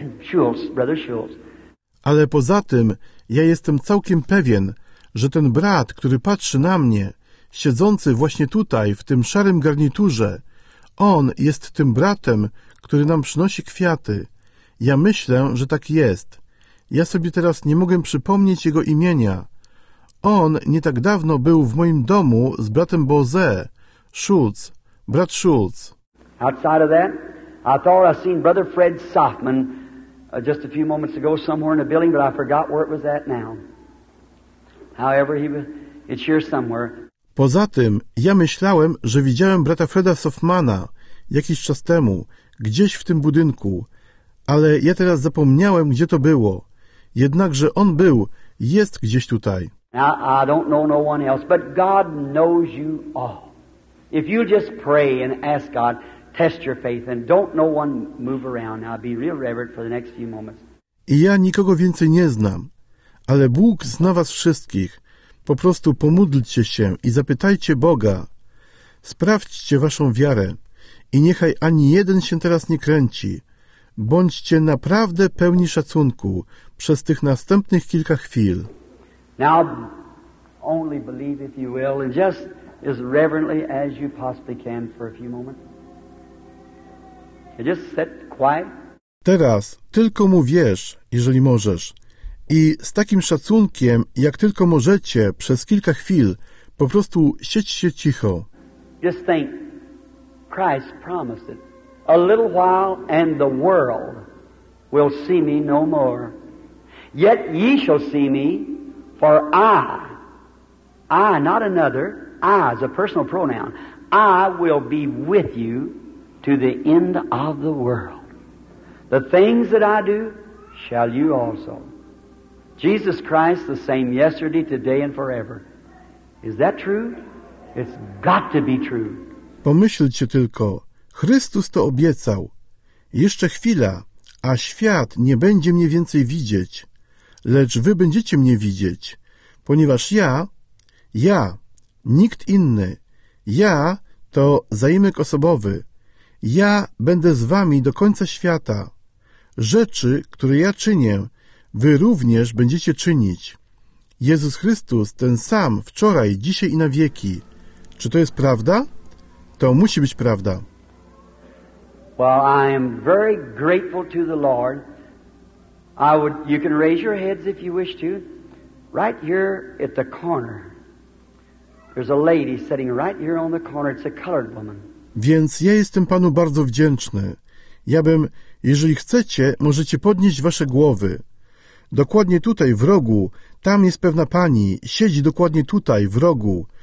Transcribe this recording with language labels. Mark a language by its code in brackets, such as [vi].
[en] Schulz, brother Schulz. [pl] Ale poza tym, ja jestem całkiem pewien, że ten brat, który patrzy na mnie, siedzący właśnie tutaj, w tym szarym garniturze, on jest tym bratem, który nam przynosi kwiaty. Ja myślę, że tak jest. Ja sobie teraz nie mogę przypomnieć jego imienia. On nie tak dawno był w moim domu z bratem Boze. Schulz, brat Schulz. [en] Outside of that, I thought I seen brother Fred Soffman just a few moments ago somewhere in a building, but I forgot where it was at now. However, he was, it's here somewhere. [pl] Poza tym, ja myślałem, że widziałem brata Freda Soffmana jakiś czas temu, gdzieś w tym budynku, ale ja teraz zapomniałem, gdzie to było. Jednakże on był, jest gdzieś tutaj. [en] I don't know no one else, but God knows you all. If you just pray and ask God, test your faith, and don't no one move around. I'll be real reverent for the next few moments. [pl] I ja nikogo więcej nie znam, ale Bóg zna was wszystkich. Po prostu pomódlcie się i zapytajcie Boga. Sprawdźcie waszą wiarę i niechaj ani jeden się teraz nie kręci. Bądźcie naprawdę pełni szacunku przez tych następnych kilka chwil. [en] Now, only believe if you will, and just as reverently as you possibly can for a few moments. Just sit quiet. [pl] Teraz tylko mu wierz, jeżeli możesz. I z takim szacunkiem, jak tylko możecie, przez kilka chwil, po prostu siedźcie cicho. [en] Just think, Christ promised it. A little while and the world will see me no more. Yet ye shall see me, for I, not another, I is a personal pronoun, I will be with you to the end of the world. The things that I do, shall you also. Jesus Christ, the same yesterday, today and forever. Is that true? It's got to be true. [pl] Pomyślcie tylko, Chrystus to obiecał. Jeszcze chwila, a świat nie będzie mnie więcej widzieć. Lecz wy będziecie mnie widzieć, ponieważ ja, nikt inny, ja to zaimek osobowy, ja będę z wami do końca świata. Rzeczy, które ja czynię, wy również będziecie czynić. Jezus Chrystus ten sam wczoraj, dzisiaj i na wieki. Czy to jest prawda? To musi być prawda. [en] Well, I am very grateful to the Lord. You can raise your heads if you wish to. Right here at the corner, there's a lady sitting right here on the corner. It's a colored woman. [pl] Więc ja jestem Panu bardzo wdzięczny. Jeżeli chcecie, możecie podnieść wasze głowy. Dokładnie tutaj, w rogu, tam jest pewna pani. Siedzi dokładnie tutaj, w rogu.